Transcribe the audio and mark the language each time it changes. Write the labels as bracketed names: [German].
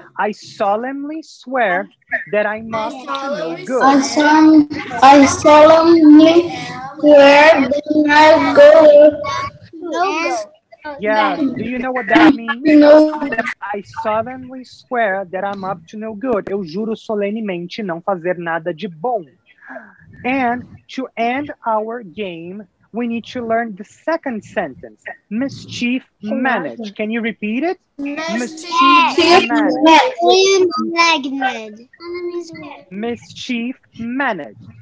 [English] I solemnly swear that I'm up to no good. I solemnly swear that I'm not good. Yeah, do you know what that means? No. I solemnly swear that I'm up to no good. [Portuguese] Eu juro solenemente não fazer nada de bom. [English] And to end our game, we need to learn the second sentence. Mischief managed. Can you repeat it? Mischief managed. Mischief managed.